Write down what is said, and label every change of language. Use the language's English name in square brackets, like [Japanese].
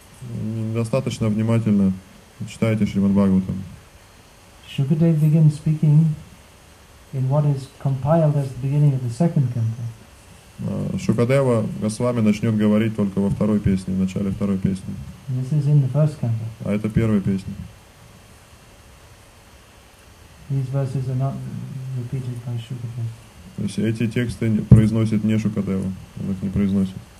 [Russian] Недостаточно внимательно читайте Шримад Бхагаватам. [English] Шукадев begins speaking in what is compiled as the beginning of the second canto. [Russian] Шукадева Госвами начнет говорить только во второй песне, в начале второй песни. [English] This is in the first canto. [Russian] А это первая песня. [English] These verses are not repeated by Shukadeva. [Russian] То есть эти тексты произносит не Шукадева, он их не произносит.